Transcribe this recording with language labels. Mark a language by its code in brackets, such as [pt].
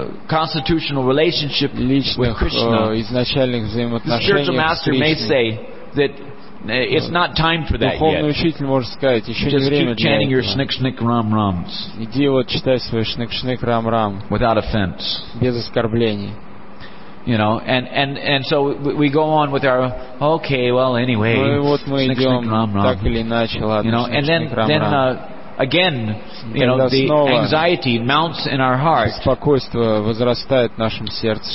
[en] constitutional relationship with Krishna, the spiritual master may say that it's not time for that yet. Just keep chanting your snik snik ram rams. [ru] Иди вот читай свой сник сник рам рам. [en] Without offense. [ru] Без оскорблений. [en] You know, and so we go on with our [ru] вот мы идем так или иначе, ладно. [en] You know, and then again, the anxiety mounts in our heart. [ru] Беспокойство возрастает в нашем сердце.